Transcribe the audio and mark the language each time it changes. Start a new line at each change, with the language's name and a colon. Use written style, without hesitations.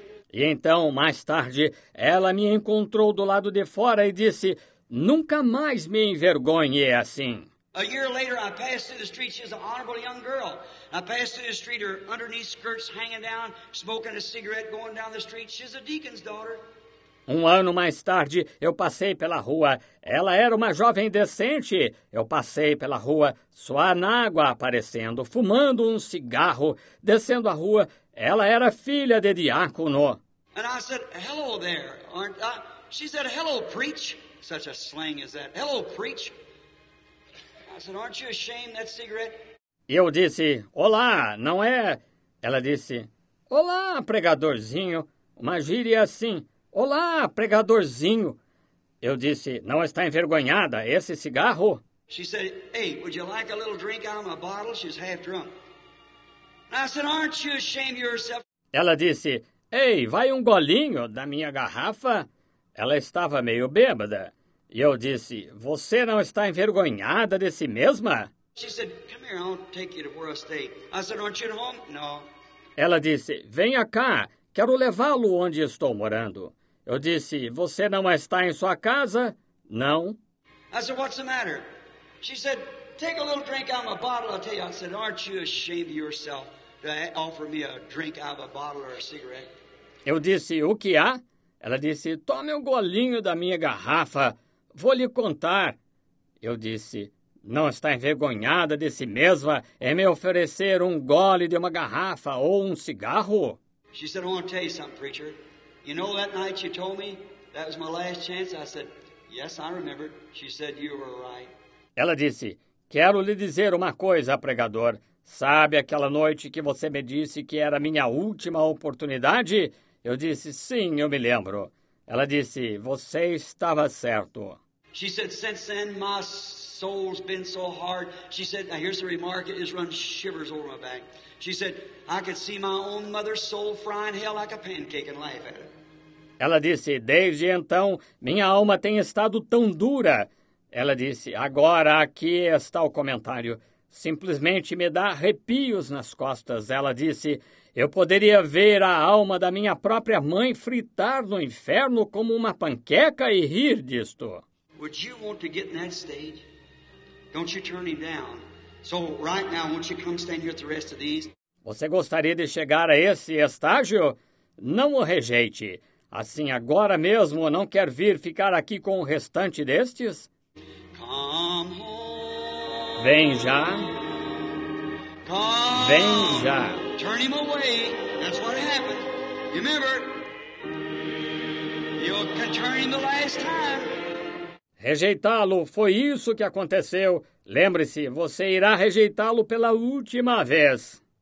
Portuguese: E então, mais tarde, ela me encontrou do lado de fora e disse, nunca mais me envergonhe assim.
English: A year later, I passed through the street. She was an honorable young girl. I passed through the street, her underneath skirts hanging down, smoking a cigarette, going down the street. She's a deacon's daughter.
Portuguese: Um ano mais tarde, eu passei pela rua. Ela era uma jovem decente. Eu passei pela rua, sua anágua aparecendo, fumando um cigarro, descendo a rua. Ela era filha de diácono.
English: And I said, hello there, aren't I? She said, hello, preach. Such a slang as that. Hello, preach. I said, aren't you ashamed that cigarette?
Portuguese: Eu disse, olá, não é? Ela disse, olá, pregadorzinho. Uma gíria assim, olá, pregadorzinho. Eu disse, não está envergonhada, esse cigarro?
English: She said, hey, would you like a little drink out of my bottle? She's half drunk. And I said, aren't you ashamed of yourself?
Portuguese: Ela disse, ei, vai um golinho da minha garrafa? Ela estava meio bêbada. E eu disse, você não está envergonhada de si mesma?
English: She said, come here, I'll take you to where I stay. I said, aren't you at home? No.
Portuguese: Ela disse, venha cá, quero levá-lo onde estou morando. Eu disse, você não está em sua casa? Não.
English: I said, what's the matter? She said, take a little drink out of a bottle, I'll tell you. I said, aren't you ashamed of yourself to offer me a drink out of a bottle or a cigarette?
Portuguese: Eu disse, o que há? Ela disse, tome um golinho da minha garrafa, vou lhe contar. Eu disse, não está envergonhada de si mesma em me oferecer um gole de uma garrafa ou um cigarro?
English: She said, I want to tell you something, preacher. You know that night you told me that was my last chance? I said, yes, I remember. She said, you were right.
Portuguese: Ela disse, quero lhe dizer uma coisa, pregador. Sabe aquela noite que você me disse que era minha última oportunidade? Eu disse, sim, eu me lembro. Ela disse, você estava certo.
English: She said, since then, my soul's been so hard. She said, now here's the remark, it just runs shivers over my back. She said, I could see my own mother's soul fry in hell like a pancake and laugh at it.
Portuguese: Ela disse, desde então, minha alma tem estado tão dura. Ela disse, agora aqui está o comentário. Simplesmente me dá arrepios nas costas. Ela disse, eu poderia ver a alma da minha própria mãe fritar no inferno como uma panqueca e rir disto.
English: Would you want to get in that stage? Don't you turn him down. So right now, won't you come stand here at the rest of these?
Portuguese: Você gostaria de chegar a esse estágio? Não o rejeite. Assim, agora mesmo, não quer vir ficar aqui com o restante destes?
English: Come home.
Portuguese: Vem já.
English: Come.
Portuguese: Vem já.
English: Turn him away. That's what happened. Remember, you can turn him the last time.
Portuguese: Rejeitá-lo, foi isso que aconteceu. Lembre-se, você irá rejeitá-lo pela última vez.